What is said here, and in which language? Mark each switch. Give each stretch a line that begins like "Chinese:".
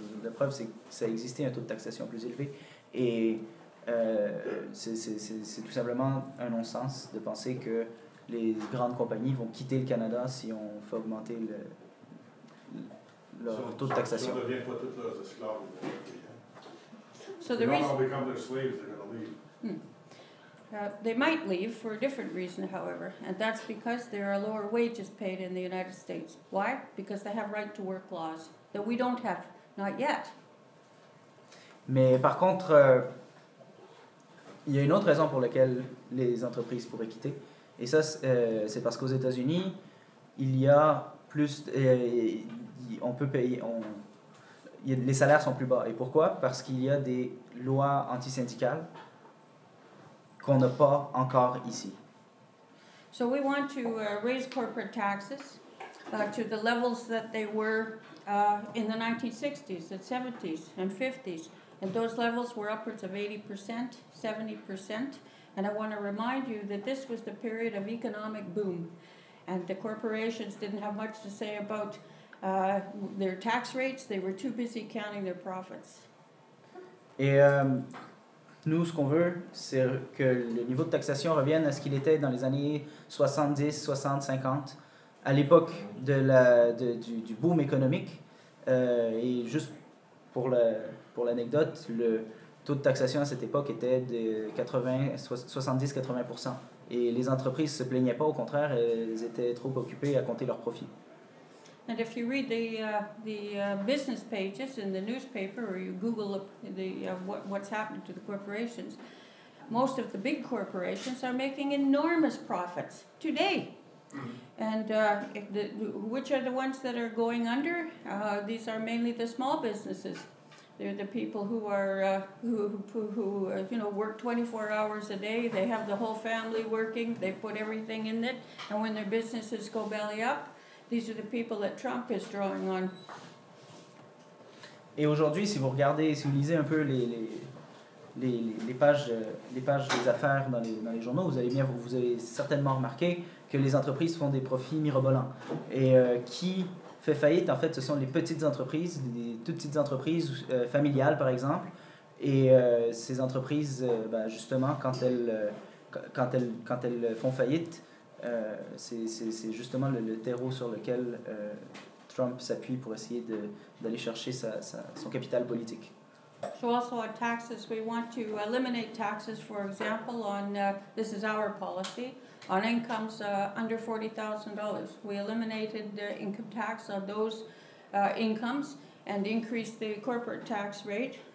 French: La preuve, c'est que ça existait un taux de taxation plus élevé. Et c'est tout simplement un non-sens de penser que les grandes compagnies vont quitter le Canada si on fait augmenter leur taux de taxation. Ça ne devient pas tous leurs esclaves. Ils vont devenir leurs esclaves, ils vont leur.
English: They might leave for a different reason, however, and that's because there are lower wages paid in the United States. Why? Because they have right to work laws that we don't have, not yet.
French: Mais par contre, il y a une autre raison pour laquelle les entreprises pourraient quitter, et ça, c'est parce qu'aux États-Unis, il y a plus, on peut payer, les salaires sont plus bas. Et pourquoi? Parce qu'il y a des lois antisyndicales qu'on n'a pas encore ici.
English: So we want to raise corporate taxes to the levels that they were in the 1960s, the 70s and 50s. And those levels were upwards of 80%, 70%. And I want to remind you that this was the period of economic boom. And the corporations didn't have much to say about their tax rates. They were too busy counting their profits.
French: Et nous, ce qu'on veut, c'est que le niveau de taxation revienne à ce qu'il était dans les années 70, 60, 50, à l'époque du boom économique. Et juste pour l'anecdote, le taux de taxation à cette époque était de 70-80%. Et les entreprises ne se plaignaient pas, au contraire, elles étaient trop occupées à compter leurs profits.
English: And if you read the business pages in the newspaper or you Google what's happening to the corporations, most of the big corporations are making enormous profits today. And which are the ones that are going under? These are mainly the small businesses. They're the people who are work 24 hours a day. They have the whole family working. They put everything in it. And when their businesses go belly up, these are the people that Trump is drawing on.
French: Et aujourd'hui, si vous regardez, si vous lisez un peu les pages des affaires dans les journaux, vous allez bien, vous avez certainement remarqué que les entreprises font des profits mirobolants. Et qui fait faillite, en fait, ce sont les petites entreprises, les toutes petites entreprises familiales, par exemple. Et ces entreprises, justement, quand elles font faillite, c'est justement le terreau sur lequel Trump s'appuie pour essayer d'aller chercher son capital politique.
English: So also on taxes, we want to eliminate taxes, for example, on, this is our policy, on incomes under $40,000. We eliminated the income tax on those incomes and increased the corporate tax rate.